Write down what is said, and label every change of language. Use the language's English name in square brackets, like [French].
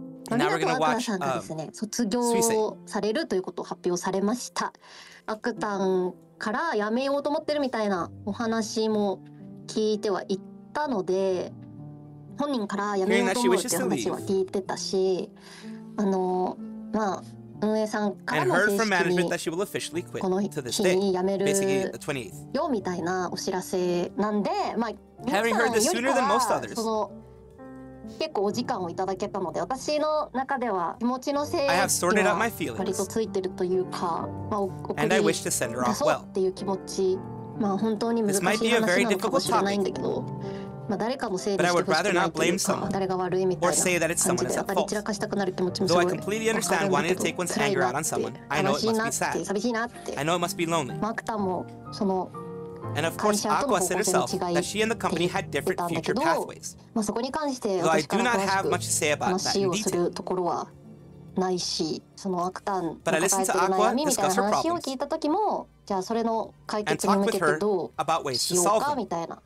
[English] And now we're going to watch Suiika. And heard from management that she will officially quit to this day, basically the 28th. Having heard this sooner than most others, [Japanese] 結構お時間をいただけたので私の中では気持ちの整理が割とついてるというか、まあ、 [English] And I wish to send her off well. [Japanese] っていう気持ち、まあ、本当に難しい話なのかもしれないんだけど、まあ、誰かのせいにしてほしくないというか誰が悪いみたいな感じで当たり散らかしたくなる気持ちもすごい分かるんだけど辛いなって寂しいなって寂しいなって、 [English] I know it must be sad. I know it must be lonely. [Japanese] マクタもその [English] And of course, Aqua said herself that she and the company had different future pathways. Though I do not have much to say about that in detail. But I listened to Aqua discuss her problems and talked with her about ways to solve them.